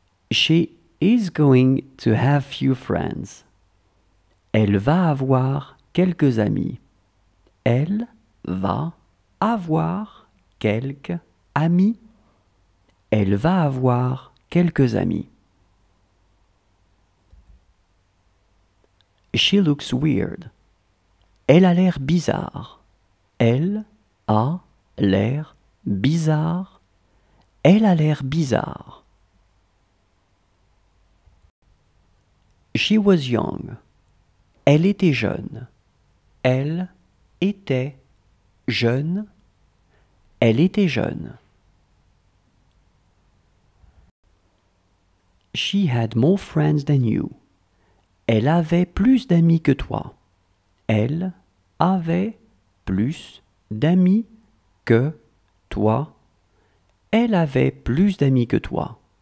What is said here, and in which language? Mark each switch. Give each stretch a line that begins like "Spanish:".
English: She is going to have few friends.
French: Elle va avoir quelques amis. Elle va avoir quelques amis. Elle va avoir quelques amis.
English: She looks weird.
French: Elle a l'air bizarre. Elle a l'air bizarre. Elle a l'air bizarre.
English: She was young.
French: Elle était jeune. Elle était jeune. Elle était jeune.
English: She had more friends than you.
French: Elle avait plus d'amis que toi. Elle avait plus d'amis que toi. Elle avait plus d'amis que toi.